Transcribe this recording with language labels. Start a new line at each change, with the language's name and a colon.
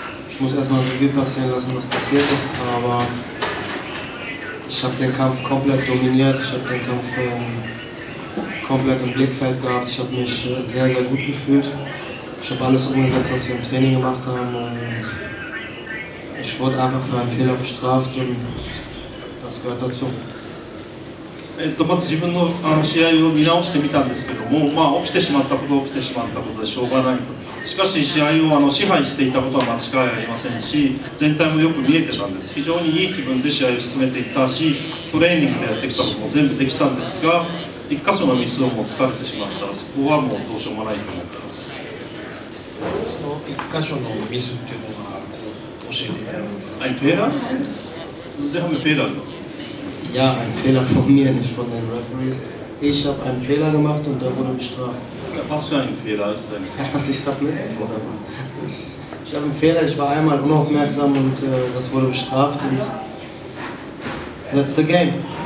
German: Ich muss erstmal so viel passieren lassen, was passiert ist, aber ich habe den Kampf komplett dominiert. Ich habe den Kampf komplett im Blickfeld gehabt. Ich habe mich sehr, sehr gut gefühlt. Ich habe alles umgesetzt, was wir im Training gemacht haben. Und ich wurde einfach für einen Fehler bestraft und das gehört dazu.
Japanese: まず自分 の, あの試合を見直してみたんですけども、まあ、起きてしまったことは起きてしまったことでしょうがないと。しかし試合をあの支配していたことは間違いありませんし、全体もよく見えてたんです。非常にいい気分で試合を進めていったし、トレーニングでやってきたことも全部できたんですが、一箇所のミスをもう疲れてしまったら、そこはもうどうしようもないと思っています。その一箇所のミスっていうのがこう教えていただいて、フェーラーなんです。全般のフェーラー。
German: Ja, ein Fehler von mir, nicht von den Referees. Ich habe einen Fehler gemacht und der wurde bestraft. Ja, was für ein Fehler ist denn? Ja, dass ich sage, nee, das, ich habe einen Fehler, ich war einmal unaufmerksam und das wurde bestraft. Und
English: that's the game.